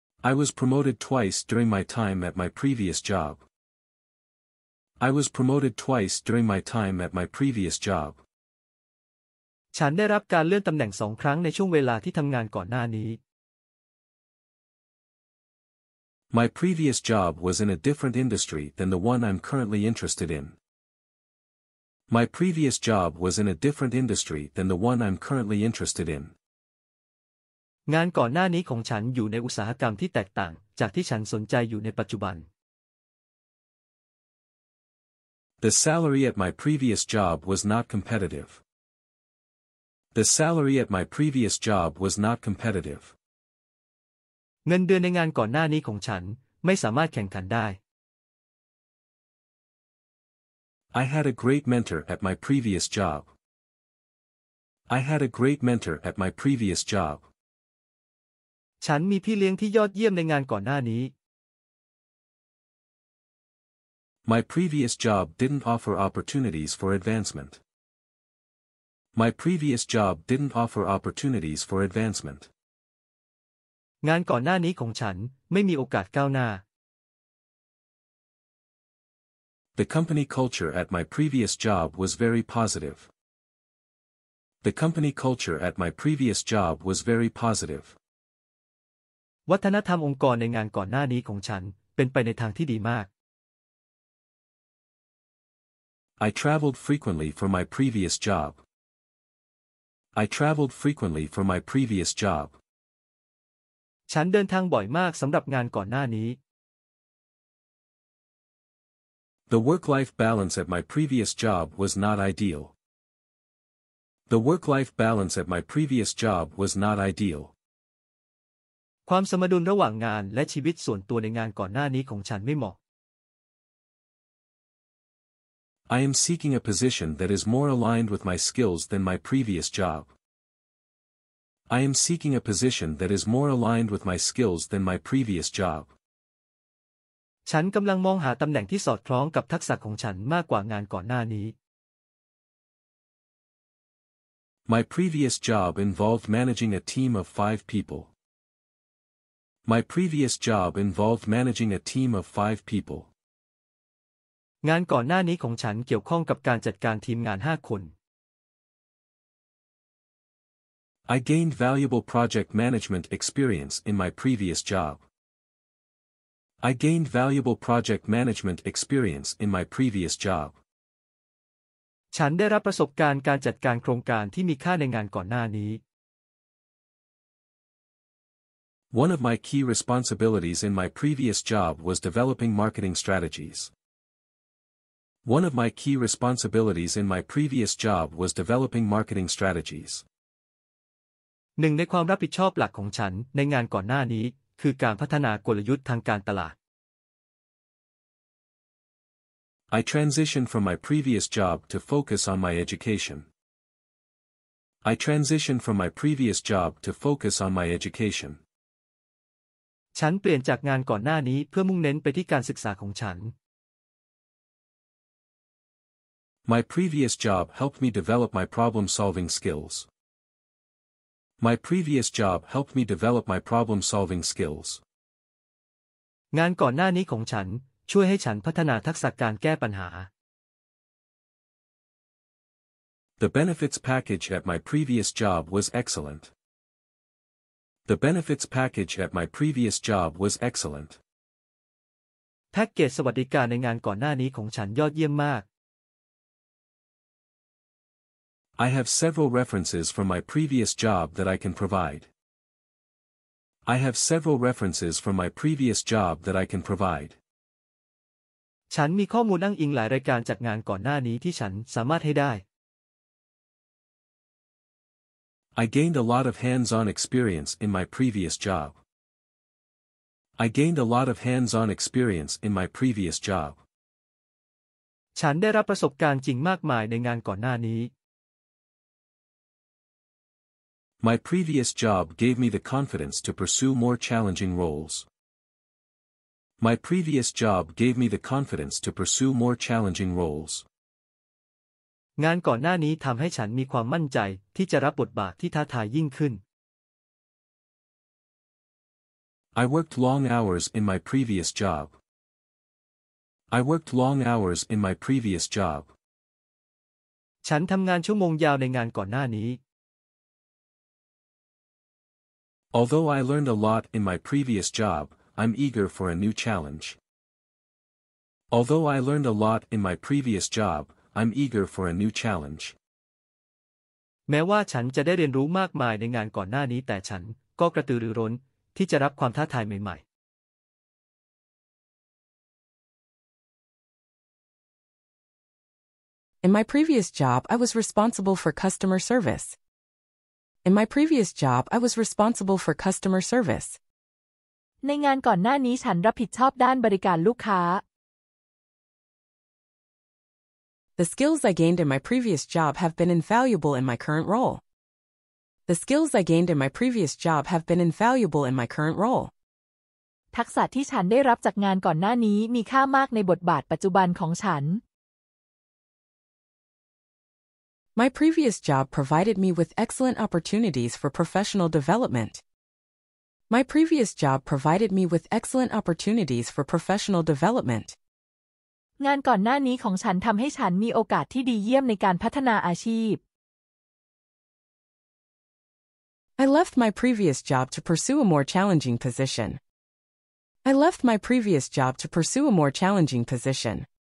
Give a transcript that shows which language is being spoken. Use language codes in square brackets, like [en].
[en] I was promoted twice during my time at my previous job. I was promoted twice during my time at my previous job. [th] ฉันได้รับการเลื่อนตำแหน่งสองครั้งในช่วงเวลาที่ทำงานก่อนหน้านี้ [en] My previous job was in a different industry than the one I'm currently interested in. My previous job was in a different industry than the one I'm currently interested in. [th] งานก่อนหน้านี้ของฉันอยู่ในอุตสาหกรรมที่แตกต่างจากที่ฉันสนใจอยู่ในปัจจุบัน [en] The salary at my previous job was not competitive. The salary at my previous job was not competitive. [th] เงินเดือนในงานก่อนหน้านี้ของฉัน ไม่สามารถแข่งขันได้ [en] I had a great mentor at my previous job. I had a great mentor at my previous job. [th] ฉันมีพี่เลี้ยงที่ยอดเยี่ยมในงานก่อนหน้านี้ [en] My previous job didn't offer opportunities for advancement. My previous job didn't offer opportunities for advancement. [th] งานก่อนหน้านี้ของฉันไม่มีโอกาสก้าวหน้า [en] The company culture at my previous job was very positive. The company culture at my previous job was very positive. [th] วัฒนธรรมองค์กรในงานก่อนหน้านี้ของฉันเป็นไปในทางที่ดีมาก [en] I traveled frequently for my previous job. I traveled frequently for my previous job. [th] ฉันเดินทางบ่อยมากสำหรับงานก่อนหน้านี้ [en] The work-life balance at my previous job was not ideal. The work-life balance at my previous job was not ideal. [th] ความสมดุลระหว่างงานและชีวิตส่วนตัวในงานก่อนหน้านี้ของฉันไม่เหมาะ [en] I am seeking a position that is more aligned with my skills than my previous job. I am seeking a position that is more aligned with my skills than my previous job. [th] ฉันกำลังมองหาตำแหน่งที่สอดคล้องกับทักษะของฉันมากกว่างานก่อนหน้านี้ [en] My previous job involved managing a team of 5 people. My previous job involved managing a team of 5 people. [th] งานก่อนหน้านี้ของฉันเกี่ยวข้องกับการจัดการทีมงาน5คน [en] I gained valuable project management experience in my previous job. I gained valuable project management experience in my previous job. [th] ฉันได้รับประสบการณ์การจัดการโครงการที่มีค่าในงานก่อนหน้านี้ [en] One of my key responsibilities in my previous job was developing marketing strategies. One of my key responsibilities in my previous job was developing marketing strategies. [th] หนึ่งในความรับผิดชอบหลักของฉันในงานก่อนหน้านี้คือการพัฒนากลยุทธ์ทางการตลาด [en] I transitioned from my previous job to focus on my education. I transitioned from my previous job to focus on my education. [th] ฉันเปลี่ยนจากงานก่อนหน้านี้เพื่อมุ่งเน้นไปที่การศึกษาของฉัน [en] My previous job helped me develop my problem-solving skills. My previous job helped me develop my problem-solving skills. [th] งานก่อนหน้านี้ของฉันช่วยให้ฉันพัฒนาทักษะการแก้ปัญหา [en] The benefits package at my previous job was excellent. The benefits package at my previous job was excellent. [th] แพ็กเกจสวัสดิการในงานก่อนหน้านี้ของฉันยอดเยี่ยมมาก [en] I have several references from my previous job that I can provide. I have several references from my previous job that I can provide. [th] ฉันมีข้อมูลอ้างอิงหลายรายการจากงานก่อนหน้านี้ที่ฉันสามารถให้ได้ [en] I gained a lot of hands-on experience in my previous job. I gained a lot of hands-on experience in my previous job. [th] ฉันได้รับประสบการณ์จริงมากมายในงานก่อนหน้านี้ [en] My previous job gave me the confidence to pursue more challenging roles. My previous job gave me the confidence to pursue more challenging roles. [th] งานก่อนหน้านี้ทำให้ฉันมีความมั่นใจที่จะรับบทบาทที่ท้าทายยิ่งขึ้น [en] I worked long hours in my previous job. I worked long hours in my previous job. [th] ฉันทำงานชั่วโมงยาวในงานก่อนหน้านี้ [en] Although I learned a lot in my previous job, I'm eager for a new challenge. Although I learned a lot in my previous job, I'm eager for a new challenge. [th] แม้ว่าฉันจะได้เรียนรู้มากมายในงานก่อนหน้านี้แต่ฉันก็กระตือรือร้นที่จะรับความท้าทายใหม่ๆ [en] In my previous job, I was responsible for customer service. In my previous job, I was responsible for customer service. [th] ในงานก่อนหน้านี้ฉันรับผิดชอบด้านบริการลูกค้า [en] The skills I gained in my previous job have been invaluable in my current role. The skills I gained in my previous job have been invaluable in my current role. [th] ทักษะที่ฉันได้รับจากงานก่อนหน้านี้มีค่ามากในบทบาทปัจจุบันของฉัน [en] My previous job provided me with excellent opportunities for professional development. My previous job provided me with excellent opportunities for professional development. [th] งานก่อนหน้านี้ของฉันทำให้ฉันมีโอกาสที่ดีเยี่ยมในการพัฒนาอาชีพ [en] I left my previous job to pursue a more challenging position. I left my previous job to pursue a more challenging position.